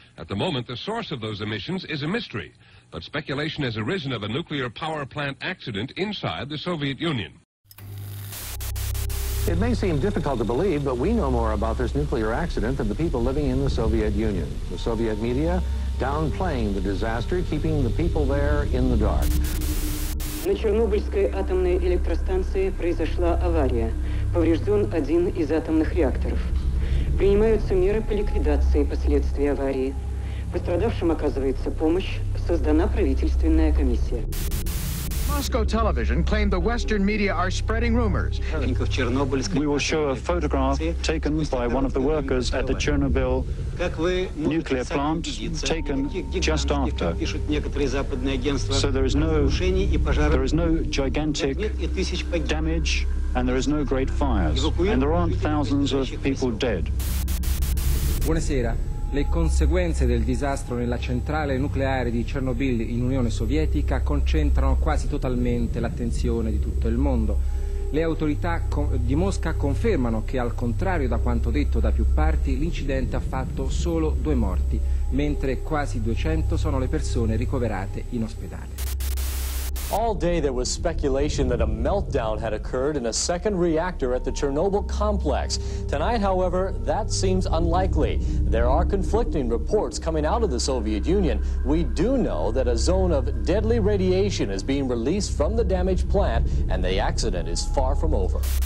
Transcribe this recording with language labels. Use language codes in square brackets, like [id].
[en] At the moment, the source of those emissions is a mystery, but speculation has arisen of a nuclear power plant accident inside the Soviet Union. It may seem difficult to believe, but we know more about this nuclear accident than the people living in the Soviet Union. The Soviet media downplaying the disaster, keeping the people there in the dark. [ru] На Чернобыльской атомной электростанции произошла авария. Поврежден один из атомных реакторов. Принимаются меры по ликвидации последствий аварии. Пострадавшим оказывается помощь. Создана правительственная комиссия. [en] Moscow television claimed the Western media are spreading rumors. We will show a photograph taken by one of the workers at the Chernobyl nuclear plant, taken just after. So there is no gigantic damage and there is no great fires. And there aren't thousands of people dead. [it] Buonasera. Le conseguenze del disastro nella centrale nucleare di Chernobyl in Unione Sovietica concentrano quasi totalmente l'attenzione di tutto il mondo. Le autorità di Mosca confermano che, al contrario da quanto detto da più parti, l'incidente ha fatto solo due morti, mentre quasi 200 sono le persone ricoverate in ospedale. [en] All day there was speculation that a meltdown had occurred in a second reactor at the Chernobyl complex. Tonight, however, that seems unlikely. There are conflicting reports coming out of the Soviet Union. We do know that a zone of deadly radiation is being released from the damaged plant, and the accident is far from over.